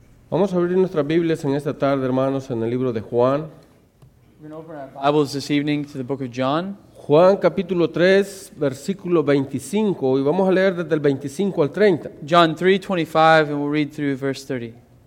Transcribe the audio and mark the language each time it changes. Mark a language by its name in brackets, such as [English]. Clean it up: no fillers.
[Spanish] Vamos a abrir nuestras Biblias en esta tarde, hermanos, en el libro de Juan. [English] We're going to open our Bibles this evening to the book of John. [Spanish] Juan capítulo 3, versículo 25, y vamos a leer desde el 25 al 30. [English] John 3, 25, and we'll read through verse 30.